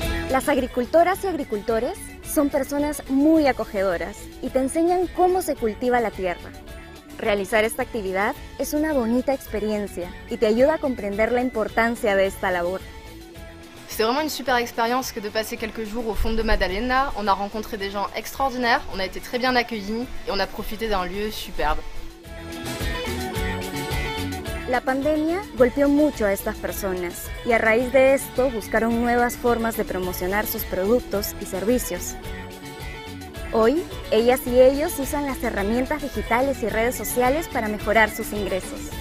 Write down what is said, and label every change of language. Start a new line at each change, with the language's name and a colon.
Spanish: Las agricultoras y agricultores son personas muy acogedoras y te enseñan cómo se cultiva la tierra. Realizar esta actividad es una bonita experiencia y te ayuda a comprender la importancia de esta labor.
French: C'est vraiment une super expérience que de passer quelques jours au fond de Madalena. On a rencontré des gens extraordinaires, on a été très bien accueillis et on a profité d'un lieu superbe.
Spanish: La pandemia golpeó mucho a estas personas y a raíz de esto buscaron nuevas formas de promocionar sus productos y servicios. Hoy, ellas y ellos usan las herramientas digitales y redes sociales para mejorar sus ingresos.